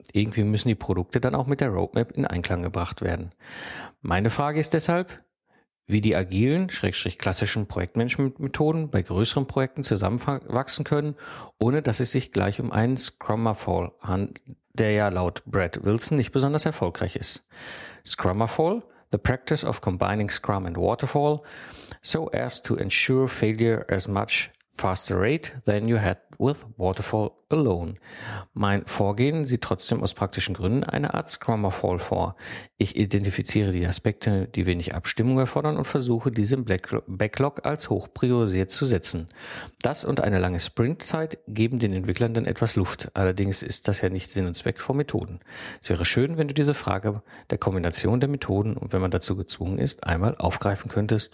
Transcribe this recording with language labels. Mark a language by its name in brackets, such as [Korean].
[German] Irgendwie müssen die Produkte dann auch mit der Roadmap in Einklang gebracht werden. Meine Frage ist deshalb, wie die agilen, /klassischen Projektmanagement-Methoden bei größeren Projekten zusammenwachsen können, ohne dass es sich gleich um einen Scrummerfall handelt, der ja laut Brad Wilson nicht besonders erfolgreich ist. [English] Scrummerfall, the practice of combining Scrum and Waterfall, so as to ensure failure as much faster rate than you had with Waterfall alone. [German] Mein Vorgehen sieht trotzdem aus praktischen Gründen eine Art Scrummerfall vor. Ich identifiziere die Aspekte, die wenig Abstimmung erfordern und versuche, diesen Backlog als hoch priorisiert zu setzen. Das und eine lange Sprintzeit geben den Entwicklern dann etwas Luft. Allerdings ist das ja nicht Sinn und Zweck von Methoden. Es wäre schön, wenn du diese Frage der Kombination der Methoden und wenn man dazu gezwungen ist, einmal aufgreifen könntest.